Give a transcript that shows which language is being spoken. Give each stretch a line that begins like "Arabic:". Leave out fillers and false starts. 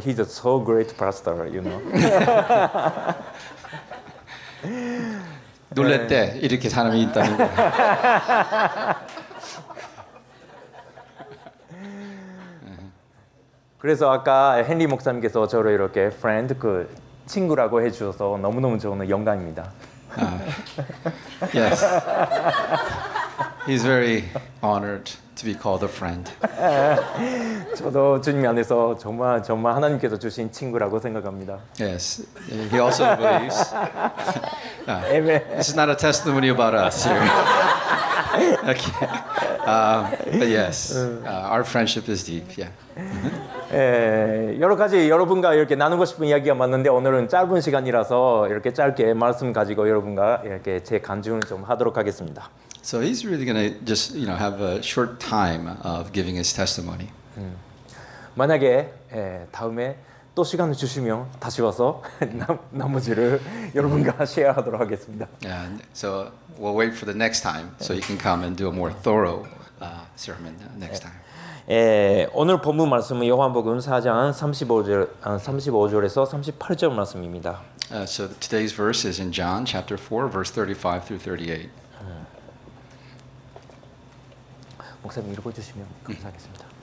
English: He's a so great pastor, you know.
Korean: 놀랬대. 이렇게 사람이 있다는 거. 그래서 아까 헨리 목사님께서 저를 이렇게 friend 그 친구라고 해 주셔서 너무너무 저는 영광입니다.
English: Yes. He's very honored to be called a friend.
Korean: 저도 주님 안에서 정말 정말 하나님께서 주신 친구라고 생각합니다.
English: Yes. He also believes. This is not a testimony about us. Here. Okay. But yes, our friendship is deep. Yeah.
Korean: 여러 가지 여러분과 이렇게 나누고 싶은 이야기가 많은데 오늘은 짧은 시간이라서 이렇게 짧게 말씀 가지고 여러분과 이렇게 제 간증을 좀 하도록 하겠습니다.
English: So he's really going to just, you know, have a short time of giving his testimony.
Korean: 만약에 다음에 또 시간을 주시면 다시 와서 나머지를 여러분과 셰어하도록 하겠습니다.
English: Yeah, so we'll wait for the next time so you can come and do a more thorough sermon next time.
Korean: 오늘 본문 말씀은 요한복음 4장 35절에서 38절 말씀입니다.
English: So today's verse is in John chapter 4 verse 35 through 38.
Korean: 목사님 읽어 주시면 감사하겠습니다.